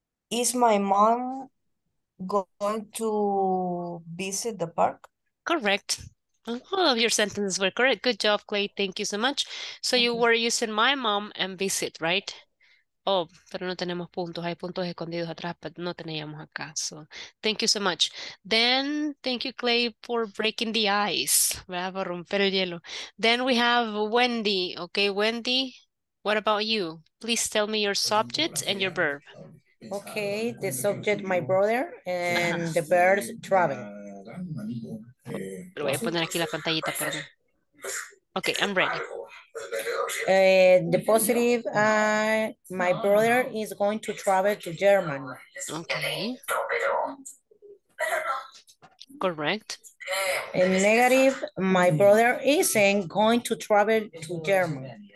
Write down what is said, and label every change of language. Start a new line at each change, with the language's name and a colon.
English: Is my mom going to visit the park? Correct. All of your sentences were correct. Good job, Clay. Thank you so much. So you were using my mom and visit, right?
Spanish: Oh, pero no tenemos puntos. Hay puntos escondidos atrás, pero no teníamos acá.
English: So thank you so much. Then thank you, Clay, for breaking the ice.
Spanish: ¿Verdad? Por romper el hielo.
English: Then we have Wendy. Okay, Wendy, what about you? Please tell me your subject and your verb. Okay, the subject, my brother, and the verb, travel.
Spanish: Lo voy a poner aquí la pantallita, perdón.
English: Okay, I'm ready. The positive, my brother is going to travel to Germany. Okay. Correct. And negative, my brother isn't going to travel to Germany.